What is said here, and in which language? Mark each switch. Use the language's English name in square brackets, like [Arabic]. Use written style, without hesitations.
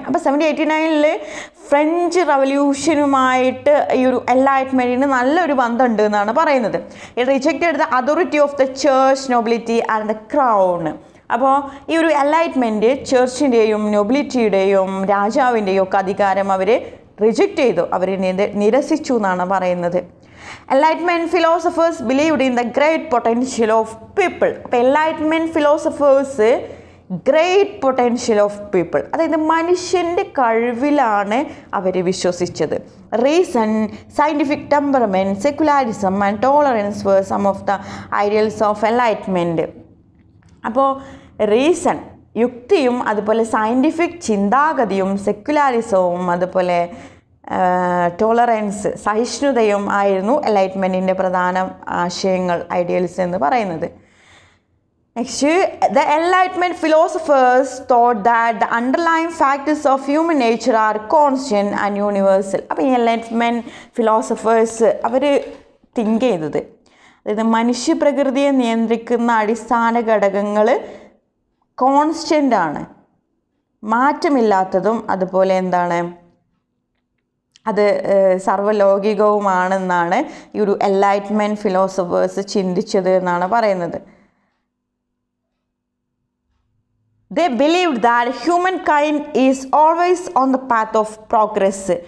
[Malayalam] അപ്പോൾ 1789 ഫ്രഞ്ച് റെവല്യൂഷനുമായിട്ട് ഈ ഒരു എൻലൈറ്റ്മെൻറ്റിന് നല്ലൊരു ബന്ധമുണ്ട് എന്നാണ് പറയുന്നത്. [English] It rejected the authority of the church, nobility and the crown. [Malayalam] അപ്പോൾ ഈ ഒരു എൻലൈറ്റ്മെൻറ്റ് ചേർച്ചിൻ്റെയും നോബിലിറ്റിയുടെയും രാജാവിൻ്റെയും ഒക്കെ അധികാരം അവർ റിജക്റ്റ് ചെയ്തു, അവർ നിരസിച്ചു എന്നാണ് പറയുന്നത്. [English] Enlightenment philosophers believed in the great potential of people. [Malayalam] അപ്പോൾ [English] Enlightenment philosophers great potential of people, [Malayalam] അതായത് മനുഷ്യൻ്റെ കഴിവിലാണ് അവർ വിശ്വസിച്ചത്. [English] Reason, scientific temperament, secularism and tolerance were some of the ideals of Enlightenment. [Malayalam] അപ്പോൾ റീസൺ, യുക്തിയും അതുപോലെ സയൻറ്റിഫിക് ചിന്താഗതിയും സെക്യുലാരിസവും അതുപോലെ ടോളറൻസ്, സഹിഷ്ണുതയും ആയിരുന്നു എൻലൈറ്റ്മെൻറ്റിൻ്റെ പ്രധാന ആശയങ്ങൾ, ഐഡിയൽസ് എന്ന് പറയുന്നത്. [English] Next, the enlightenment philosophers thought that the underlying factors of human nature are constant and universal. [Malayalam] അപ്പോൾ ഈ എൻലൈറ്റ്മെൻറ്റ് ഫിലോസഫേഴ്സ് അവർ തിങ്ക് ചെയ്തത്, അതായത് മനുഷ്യ പ്രകൃതിയെ നിയന്ത്രിക്കുന്ന അടിസ്ഥാന ഘടകങ്ങൾ കോൺസ്റ്റൻ്റ് ആണ്, മാറ്റമില്ലാത്തതും അതുപോലെ എന്താണ് അത് സർവലൗകികവുമാണെന്നാണ് ഈ ഒരു എൻലൈറ്റ്മെൻറ്റ് ഫിലോസഫേഴ്സ് ചിന്തിച്ചത് എന്നാണ് പറയുന്നത്. [English] They believed that humankind is always on the path of progress.